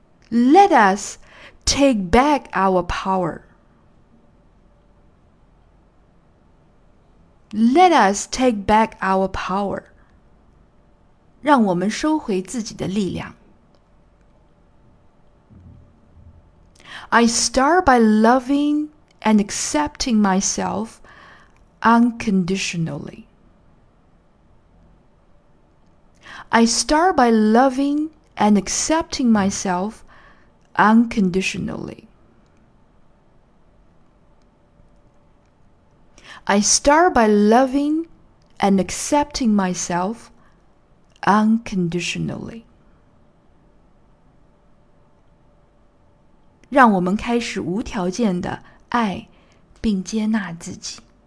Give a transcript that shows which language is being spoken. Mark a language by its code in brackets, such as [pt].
[en] Let us take back our power. Let us take back our power. [zh] 让我们收回自己的力量。 [en] I start by loving and accepting myself unconditionally. I start by loving and accepting myself unconditionally. I start by loving and accepting myself unconditionally. [zh] 让我们开始无条件的爱并接纳自己。